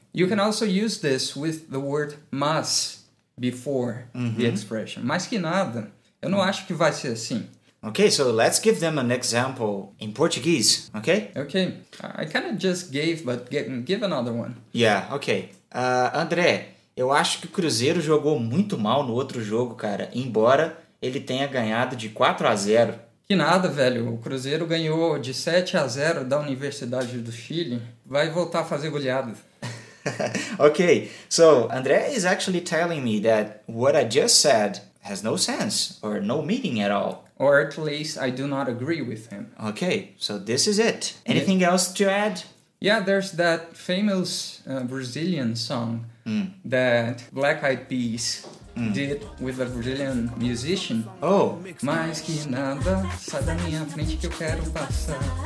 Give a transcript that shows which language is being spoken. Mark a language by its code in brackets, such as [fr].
[en] You can also use this with the word mas before mm-hmm. the expression. [pt] Mas que nada. Eu não acho que vai ser assim. [en] Okay, so let's give them an example in Portuguese, okay? Okay, I kind of just gave, but give another one. Yeah, okay. [pt] André, eu acho que o Cruzeiro jogou muito mal no outro jogo, cara, embora ele tenha ganhado de 4-0. Que nada, velho. O Cruzeiro ganhou de 7-0 da Universidade do Chile. Vai voltar a fazer goleada. [en] Okay, so André is actually telling me that what I just said has no sense or no meaning at all. Or at least I do not agree with him. Okay, so this is it. Anything else to add? Yeah, there's that famous Brazilian song that Black Eyed Peas did with a Brazilian musician. Oh. [pt] Mais que nada, sai da minha frente que eu quero passar.